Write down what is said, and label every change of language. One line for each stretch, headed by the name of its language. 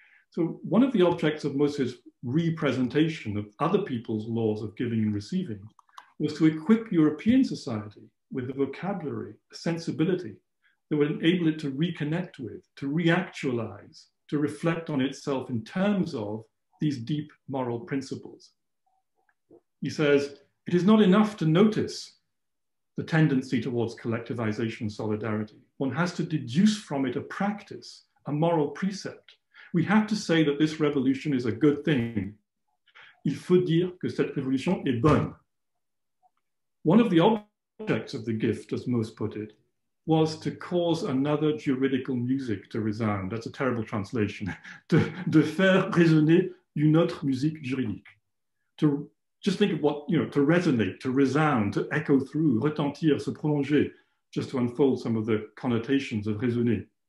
English: So one of the objects of Mus's representation of other people's laws of giving and receiving was to equip European society with a vocabulary, a sensibility that would enable it to reconnect with, to reactualize, to reflect on itself in terms of these deep moral principles. He says, it is not enough to notice the tendency towards collectivization and solidarity. One has to deduce from it a practice, a moral precept. We have to say that this revolution is a good thing.
French: Il faut dire que cette révolution est bonne.
English: One of the objects of The Gift, as Mus put it, was to cause another juridical music to resound. That's a terrible translation.
French: De faire résonner une autre musique juridique.
English: To just think of what, you know, to resonate, to resound, to echo through,
French: retentir, se prolonger,
English: just to unfold some of the connotations of résonner.